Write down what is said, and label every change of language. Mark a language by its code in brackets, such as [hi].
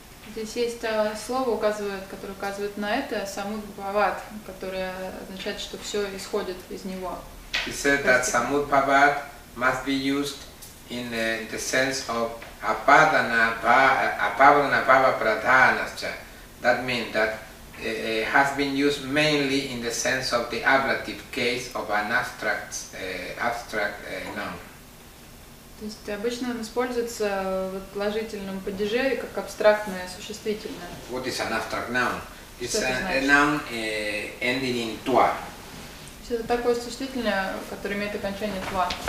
[ru] Здесь есть слово, которое указывает на это, Самут Бхават, которое означает, что все исходит из него. [en] He said that Samut Bhavat must be used in the sense of [sa] apadana bhava pradhanascha. [en] That means that it has been used mainly in the sense of the ablative case of an abstract noun. [ru] То есть обычно он используется в отложительном падеже как абстрактное существительное. [en] What is an abstract noun? It's a noun ending in tua. [ru] Это такое существительное, которое имеет окончание тва.